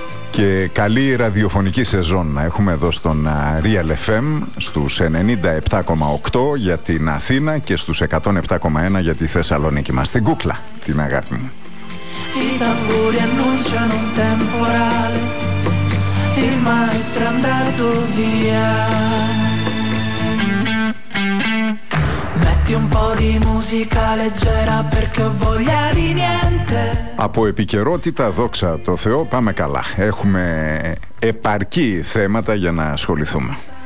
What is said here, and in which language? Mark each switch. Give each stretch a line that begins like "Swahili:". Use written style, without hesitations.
Greek: Και καλή ραδιοφωνική σεζόν να έχουμε εδώ στον Real FM στους 97,8 για την Αθήνα και στους 107,1 για τη Θεσσαλονίκη μας. Την κούκλα, την αγάπη μου.
Italian: I tamburi annunciano un temporale, il maestro è andato via. Metti un po' di musica leggera perché ho voglia di niente.
Greek: Από επικαιρότητα, δόξα τω Θεώ, πάμε καλά. Έχουμε επαρκή θέματα για να ασχοληθούμε.